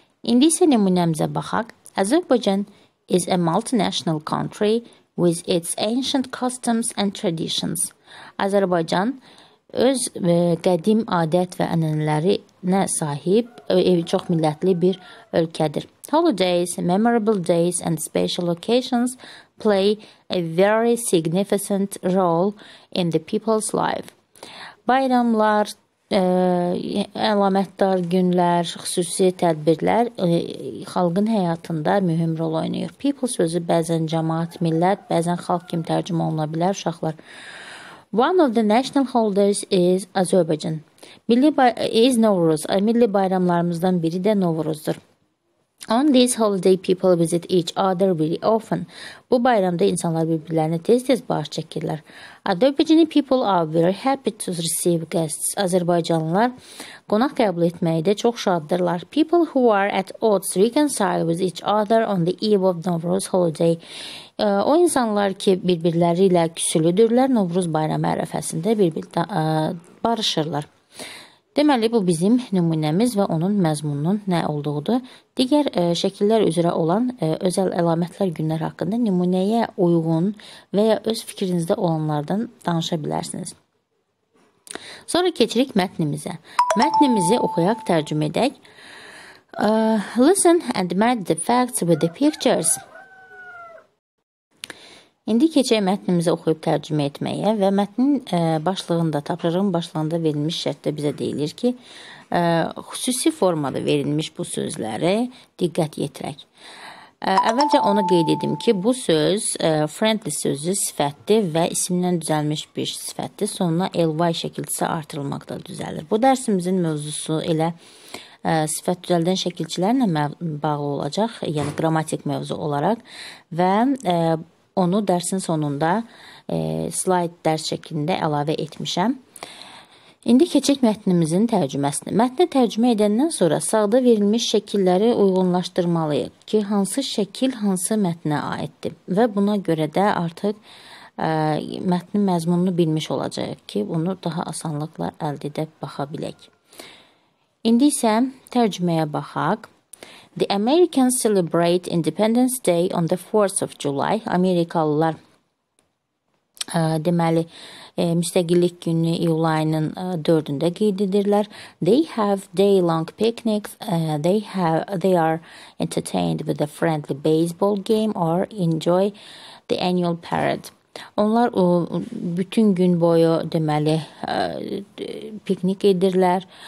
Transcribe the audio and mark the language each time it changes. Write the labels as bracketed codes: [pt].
[az] İndi isə nümunəmizə baxaq. [en] Azərbaycan is a multinational country with its ancient customs and traditions. [az] Azərbaycan öz qədim adət və ənənələrinə sahib çox millətli bir ölkədir. [en] Holidays, memorable days and special occasions play a very significant role in the people's life. [az] Bayramlar, əlamətdar günlər, xüsusi tədbirlər xalqın həyatında mühüm rol oynayır. People sözü bəzən cəmaat, millət, bəzən xalq kimi tərcümə oluna bilər, uşaqlar. [en] One of the national holidays is Azərbaycan. Is Novruz. [az] Milli bayramlarımızdan biri də Novruzdur. [en] On this holiday, people visit each other very often. [az] Bu bayramda insanlar bir-birlərini tez-tez baş çəkirlər. [en] Azərbaycanlı people are very happy to receive guests. [az] Azərbaycanlılar qonaq qəbul etməyi də çox şaddırlar. [en] People who are at odds reconcile with each other on the eve of Novruz holiday. [az] O insanlar ki, bir-birləri ilə küsülüdürlər, Novruz bayramı ərəfəsində barışırlar. Deməli, bu bizim nümunəmiz və onun məzmununun nə olduğudur. Digər şəkillər üzrə olan özəl əlamətlər günlər haqqında nümunəyə uyğun və ya öz fikrinizdə olanlardan danışa bilərsiniz. Sonra keçirik mətnimizə. Mətnimizi oxuyaq, tərcüm edək. [en] Listen and match the facts with the pictures. [az] İndi keçək mətnimizi oxuyub tərcümə etməyə və mətnin başlığında, tapşırığın başlığında verilmiş şərtdə bizə deyilir ki, xüsusi formada verilmiş bu sözləri diqqət yetirək. Əvvəlcə onu qeyd edim ki, bu söz friendly sözü sifətdir və isimdən düzəlmiş bir sifətdir. Sonuna ly şəkilçisi artırılmaqda düzəlir. Bu dərsimizin mövzusu elə sifət düzəldən şəkilçilərlə bağlı olacaq, yəni qramatik mövzu olaraq və onu dərsin sonunda slayt dərs şəklində əlavə etmişəm. İndi keçək mətnimizin tərcüməsini. Mətni tərcümə edəndən sonra sağda verilmiş şəkilləri uyğunlaşdırmalıyıq ki, hansı şəkil hansı mətnə aiddir və buna görə də artıq mətnin məzmununu bilmiş olacaq ki, bunu daha asanlıqla əldə edib baxa bilək. İndi isə tərcüməyə baxaq. [en] The Americans celebrate Independence Day on the 4th of July. [az] Amerikalılar, deməli, müstəqillik günü iyul ayının 4-də qeyd edirlər. [en] They have day-long picnics. They are entertained with a friendly baseball game or enjoy the annual parade. [az] Onlar bütün gün boyu, deməli, piknik edirlər.